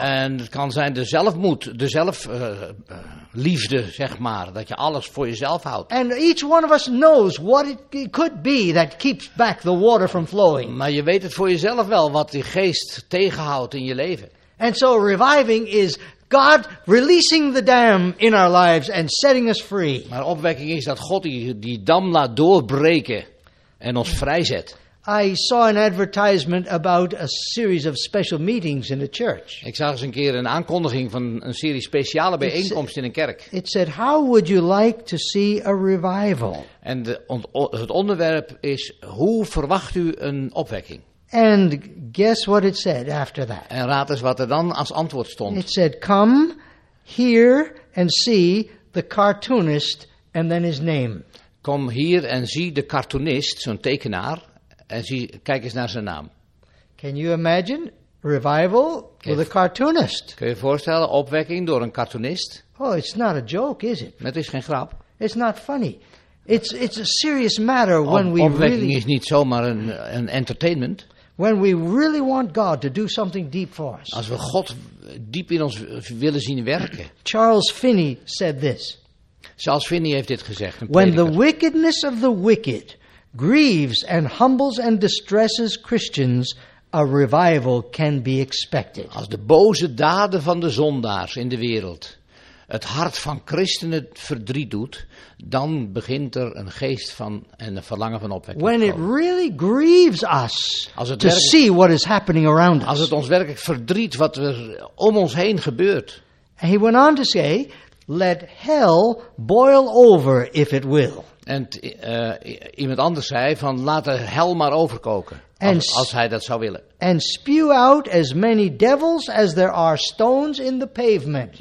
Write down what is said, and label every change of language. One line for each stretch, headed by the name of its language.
Dutch: En het kan zijn de zelfmoed, de zelfliefde, zeg maar, dat je alles voor jezelf houdt.
English: And each one of us knows what it could be that keeps back the water from flowing.
Dutch: Maar je weet het voor jezelf wel wat die geest tegenhoudt in je leven.
English: And so reviving is God releasing the dam in our lives and setting us free.
Dutch: Maar opwekking is dat God die dam laat doorbreken. En ons vrijzet.
English: I saw an advertisement about a series of special meetings in a church.
Dutch: Ik zag eens een keer een aankondiging van een serie speciale bijeenkomsten in een kerk.
English: It said, "How would you like to see a revival?"
Dutch: En het onderwerp is: hoe verwacht u een opwekking?
English: And guess what it said after that?
Dutch: En raad eens wat er dan als antwoord stond.
English: It said, "Come, hear and see the cartoonist and then his name."
Dutch: Kom hier en zie de cartoonist, zo'n tekenaar, en kijk eens naar zijn naam.
English: Can you imagine revival with a cartoonist?
Dutch: Kun je voorstellen opwekking door een cartoonist?
English: Oh, it's not a joke, is it?
Dutch: Het is geen grap.
English: It's not funny. It's a serious matter when we
Dutch: opwekking
English: really.
Dutch: Opwekking is niet zomaar een entertainment.
English: When we really want God to do something deep for us.
Dutch: Als we God diep in ons willen zien werken.
English: Charles Finney said this.
Dutch: Charles Finney heeft dit gezegd. Een
English: When the wickedness of the wicked grieves and humbles and distresses Christians, a revival can be expected.
Dutch: Als de boze daden van de zondaars in de wereld het hart van christenen verdriet doet, dan begint er een geest van en een verlangen van opwekking.
English: When it really grieves us to see what is happening around us.
Dutch: Als het ons werkelijk verdriet wat er om ons heen gebeurt.
English: And he went on to say. Let hell boil over if it will.
Dutch: En iemand anders zei van laat de hel maar overkoken. Als hij dat zou willen.
English: And spew out as many devils as there are stones in the pavement.